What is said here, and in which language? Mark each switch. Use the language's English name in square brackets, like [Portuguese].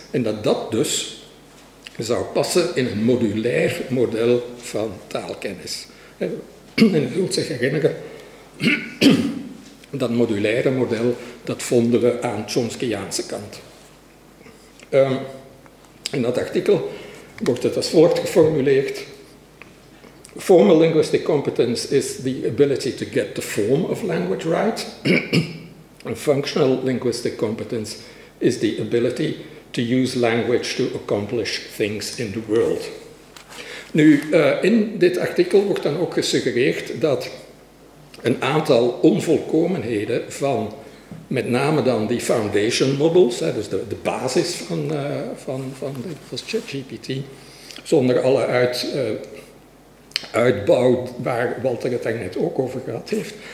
[Dutch] En dat dat dus zou passen in een modulair model van taalkennis. En u moet zich herinneren, dat modulaire model, dat vonden we aan Chomskyaanse kant. In dat artikel wordt het als volgt geformuleerd. [English] Formal linguistic competence is the ability to get the form of language right. And functional linguistic competence is the ability to use language to accomplish things in the world. [Dutch] Nu, in dit artikel wordt dan ook gesuggereerd dat een aantal onvolkomenheden van met name dan die foundation models, dus de basis van ChatGPT, zonder alle uitbouw waar Walter het daarnet ook over gehad heeft.